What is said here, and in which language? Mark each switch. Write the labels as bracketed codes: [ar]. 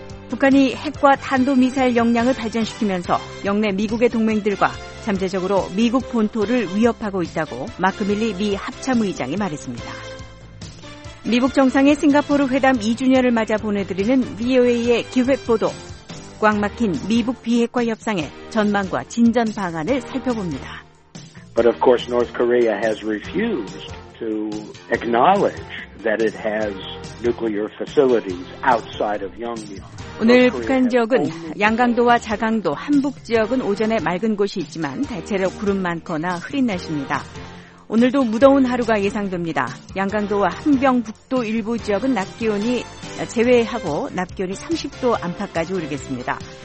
[ko] 북한이 핵과 탄도미사일 역량을 발전시키면서 영내 미국의 동맹들과 잠재적으로 미국 본토를 위협하고 있다고 마크 밀리 미 합참의장이 말했습니다. 미국 정상의 싱가포르 회담 2주년을 맞아 보내드리는 VOA의 기획보도, 꽉 막힌 미국 비핵화 협상의 전망과 진전 방안을 살펴봅니다. [en] But of course North Korea has refused to acknowledge that it has nuclear facilities outside of Yongbyon. [ko] 오늘 북한 지역은 양강도와 자강도, 한북 지역은 오전에 맑은 곳이 있지만 대체로 구름 많거나 흐린 날씨입니다. 오늘도 무더운 하루가 예상됩니다. 양강도와 함경북도 일부 지역은 낮 기온이 제외하고 낮 기온이 30도 안팎까지 오르겠습니다.